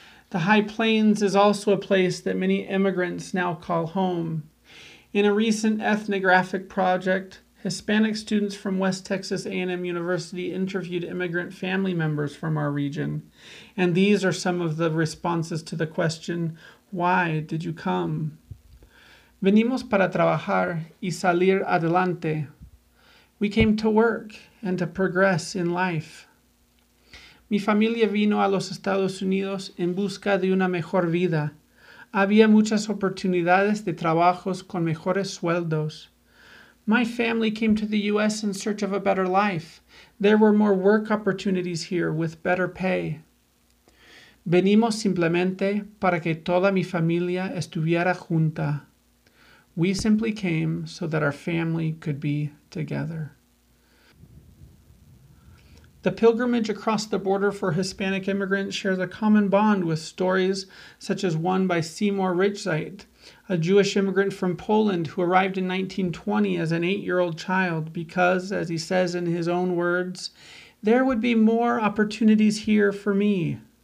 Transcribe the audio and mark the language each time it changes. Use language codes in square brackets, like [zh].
[en] The High Plains is also a place that many immigrants now call home. In a recent ethnographic project, Hispanic students from West Texas A&M University interviewed immigrant family members from our region, and these are some of the responses to the question, "Why did you come?" [es] "Venimos para trabajar y salir adelante." [en] "We came to work and to progress in life." [es] "Mi familia vino a los Estados Unidos en busca de una mejor vida. Había muchas oportunidades de trabajos con mejores sueldos." [en] "My family came to the U.S. in search of a better life. There were more work opportunities here with better pay." [es] "Venimos simplemente para que toda mi familia estuviera junta." [en] "We simply came so that our family could be together." The pilgrimage across the border for Hispanic immigrants shares a common bond with stories such as one by Seymour Richzeit, a Jewish immigrant from Poland who arrived in 1920 as an 8-year-old child because, as he says in his own words, "there would be more opportunities here for me."